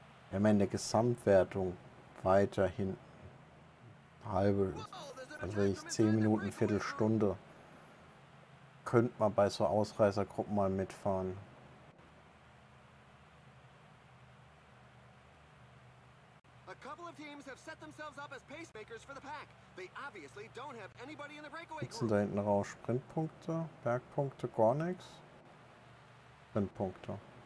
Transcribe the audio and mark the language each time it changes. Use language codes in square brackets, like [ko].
[de] Wir haben in der Gesamtwertung. Weiter hinten. Halbe, also ich 10 Minuten, Viertelstunde. Könnte man bei so Ausreißergruppen mal mitfahren. [en] A couple of teams have set themselves up as pacemakers for the pack. They obviously don't have anybody in the breakaway group. [de] Sind da hinten raus Sprintpunkte, Bergpunkte, gar nichts. Sprintpunkte.